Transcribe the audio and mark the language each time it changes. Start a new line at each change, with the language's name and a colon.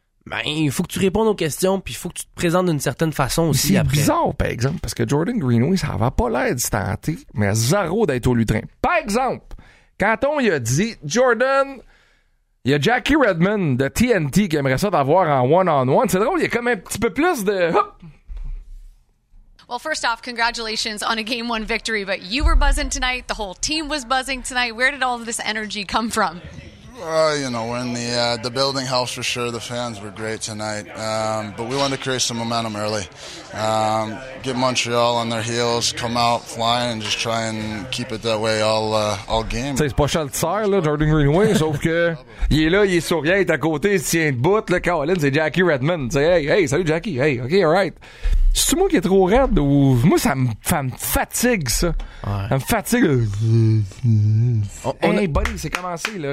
French: Ben, il faut que tu répondes aux questions, puis il faut que tu te présentes d'une certaine façon aussi c'est après. C'est bizarre, par exemple, parce que Jordan Greenway, ça va pas l'air de se tenter, mais à zéro d'être au lutrin. Par exemple, quand on lui a dit, Jordan, il y a Jackie Redmond de TNT qui aimerait ça d'avoir en one-on-one, c'est drôle, il y a comme un petit peu plus de... Hop!
English: Well, first off, congratulations on a game one victory, but you were buzzing tonight. The whole team was buzzing tonight. Where did all of this energy come from? You know, we're in the building house for sure. The fans were great tonight. But we wanted to create some momentum early. Get Montreal on their heels, come out flying, and just try and keep it that way all game.
French: T'sais, c'est pas Chaltier, là, Jordan Greenway, sauf que il est là, il est souriant, il est à côté, il se tient debout. Là, Colin, c'est Jackie Redmond. T'sais, hey, salut Jackie.
English: Hey, OK, all right.
French: C'est-tu moi qui est trop raide ou... Moi, ça me fatigue, ça. Ouais. Ça me fatigue.
English: Hey, buddy,
French: c'est commencé, là.